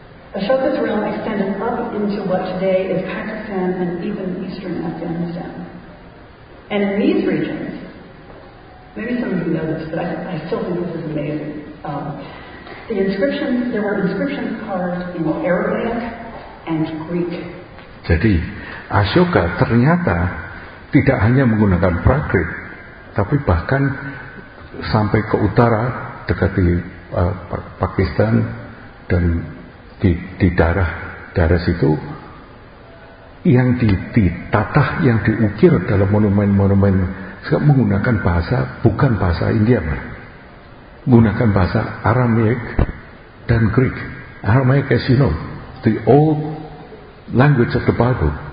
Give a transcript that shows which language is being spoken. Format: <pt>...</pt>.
<en>Ashoka's realm extended up into what today is Pakistan and even eastern Afghanistan. And in these regions, maybe some of you know this, but I still think this is amazing. There were inscriptions carved in Aramaic and Greek.</en> <id>Jadi, Ashoka ternyata tidak hanya menggunakan Prakrit, tapi bahkan sampai ke utara, dekat di Pakistan dan di daerah situ, yang ditatah, yang diukir dalam monumen-monumen sekarang menggunakan bahasa, bukan bahasa India, menggunakan bahasa Aramaic dan Greek.</id> <en>Aramaic, as you know, the old language of the Bible.</en>